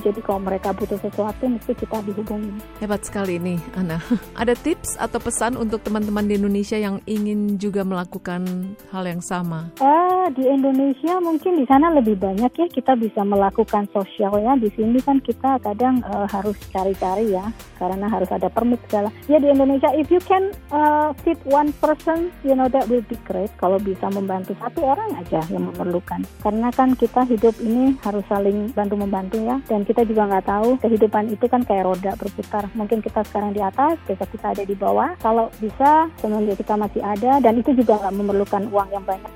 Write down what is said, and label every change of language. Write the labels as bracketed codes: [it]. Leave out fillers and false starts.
[id] Jadi kalau mereka butuh sesuatu, mesti kita dihubungi. Hebat sekali ini, Ana. Ada tips atau pesan untuk teman-teman di Indonesia yang ingin juga melakukan hal yang sama? Di Indonesia mungkin di sana lebih banyak ya. Kita bisa melakukan sosial ya. Di sini kan kita kadang harus cari-cari ya, karena harus ada permit segala. Ya di Indonesia, [en] if you can feed one person, you know that will be great. [id] Kalau bisa membantu satu orang aja yang memerlukan. Karena kan kita hidup ini harus saling bantu-membantu ya. Dan kita juga gak tahu, kehidupan itu kan kayak roda berputar. Mungkin kita sekarang di atas, besok kita ada di bawah. Kalau bisa, semenjak kita masih ada, dan itu juga gak memerlukan uang yang banyak.